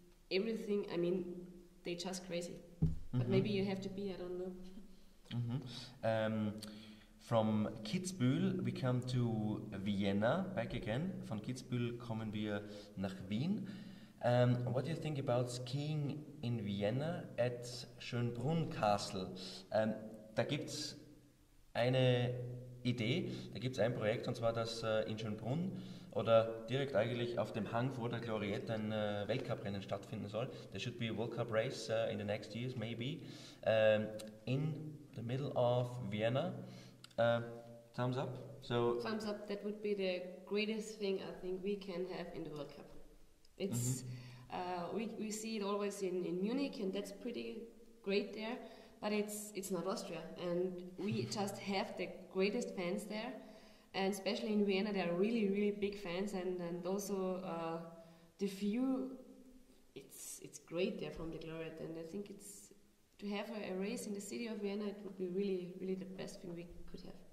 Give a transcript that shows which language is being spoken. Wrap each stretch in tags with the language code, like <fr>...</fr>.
<en>everything, I mean, they're just crazy. Mm-hmm. But maybe you have to be, I don't know. Mm-hmm. From Kitzbühel we come to Vienna, back again.</en> <de>Von Kitzbühel kommen wir nach Wien.</de> <en>What do you think about skiing in Vienna at Schönbrunn Castle?</en> <de>Da gibt es eine Idee, da gibt es ein Projekt, und zwar das in Schönbrunn oder direkt eigentlich auf dem Hang vor der Gloriette ein Weltcuprennen stattfinden soll.</de> <en>There should be a World Cup race in the next years, maybe. In the middle of Vienna. Thumbs up. So thumbs up, that would be the greatest thing I think we can have in the World Cup. It's we see it always in Munich, and that's pretty great there, but it's not Austria, and we just have the greatest fans there, and especially in Vienna they are really really big fans, and also the view, it's great there from the Gloriette, and I think it's to have a race in the city of Vienna, it would be really really the best thing we could have.</en>